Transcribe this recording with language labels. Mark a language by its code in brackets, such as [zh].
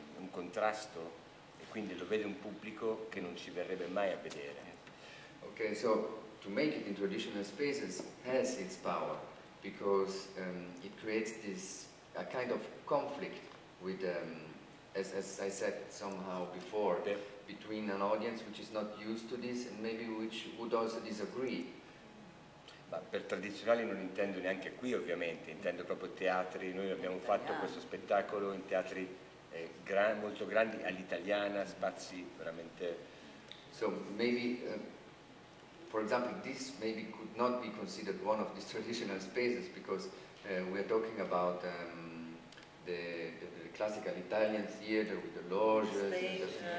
[it] contrasto e quindi lo vede un pubblico che non ci verrebbe mai a vedere. [en] Okay, so to make it in traditional spaces has its power because it creates this a kind of conflict with as I said somehow before between an audience which is not used to this and maybe which would also disagree. [it] Ma per tradizionali non intendo neanche qui ovviamente, intendo proprio teatri, noi abbiamo fatto questo spettacolo in teatri molto grandi, all'italiana, spazi veramente... [en] So maybe, for example, this maybe could not be considered one of these traditional spaces because we are talking about the classical Italian theater with the loges...